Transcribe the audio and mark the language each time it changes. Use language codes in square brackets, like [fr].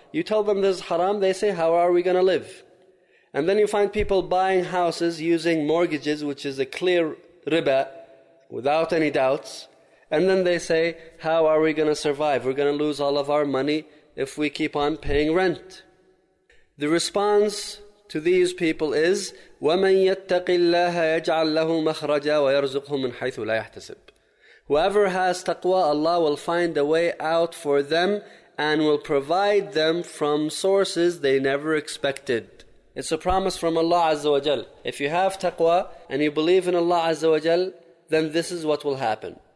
[en] You tell them this is haram, they say, how are we going to live? And then you find people buying houses using mortgages, which is a clear riba, without any doubts. And then they say, how are we going to survive? We're going to lose all of our money if we keep on paying rent. The response to these people is, [ar] وَمَنْ يَتَّقِ اللَّهَ يَجْعَلْ لَهُ مَخْرَجًا وَيَرْزُقْهُ مِنْ حَيْثُ لَا يَحْتَسِبْ. [en] Whoever has taqwa, Allah will find a way out for them and will provide them from sources they never expected. It's a promise from Allah Azza wa Jal. If you have taqwa and you believe in Allah Azza wa Jal, then this is what will happen.